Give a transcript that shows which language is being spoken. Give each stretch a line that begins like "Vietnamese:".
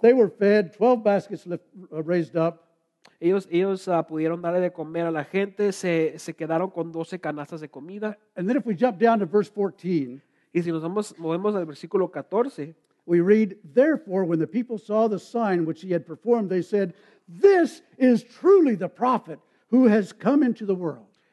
English: They were fed, 12 baskets raised up.
Spanish: Ellos pudieron darle de comer a la gente, se quedaron con 12 canastas de comida.
English: And then if we jump down to verse 14,
Spanish: y si nos movemos al versículo 14,
English: we read, therefore, when the people saw the sign which he had performed, they said, this is truly the prophet who has come into the world.